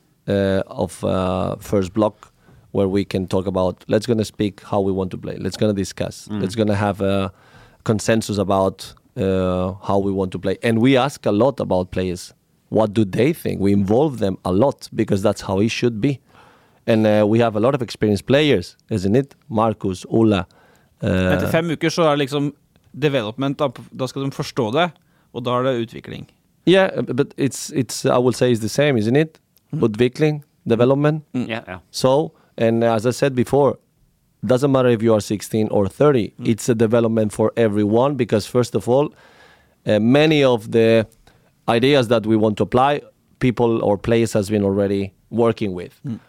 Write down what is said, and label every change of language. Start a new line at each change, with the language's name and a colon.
English: first block where we can talk about let's going to speak how we want to play let's going to discuss let's going to have a consensus about how we want to play and we ask a lot about players what do they think we involve them a lot because that's how it should be and we have a lot of experienced players isn't it Marcus Ola
Norwegian: Etter 5 uker så liksom
English: development
Norwegian: da skal de forstå det og da det utvikling
English: yeah but it's I will say it's the same isn't it Utvikling, development. Yeah, yeah. So, and as I said before, doesn't matter if you are 16 or 30. Mm. It's a development for everyone because, first of all, many of the ideas that we want to apply, people or players has been already working with. Mm.